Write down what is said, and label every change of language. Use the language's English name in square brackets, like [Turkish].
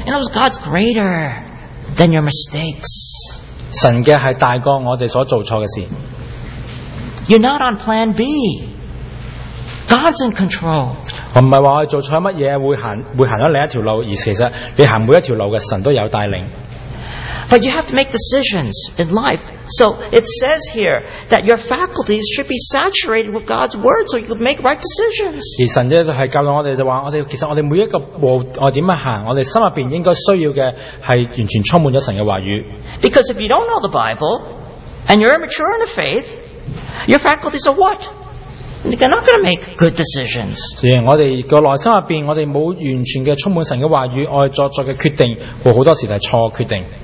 [English] And God's greater than your mistakes. [Chinese] 神的是大过我们所做错的事。 [English] You're not on plan B. God's in control. [Chinese] 我不是说我们做错什么,会走了另一条路,而其实你走每一条路的神都有带领。 [English] But you have to make decisions in life. So it says here that your faculties should be saturated with God's word so you can make right decisions. [Chinese] 而神就是教导我们,其实我们每一个步,我们怎么走,我们心里面应该需要的是完全充满了神的话语。 [English] Because if you don't know the Bible, and you're immature in the faith, your faculties are what? They're not going to make good decisions. [Chinese] 所以我们的内心里面，我们没有完全的充满神的话语，爱作的决定，和很多时候是错的决定。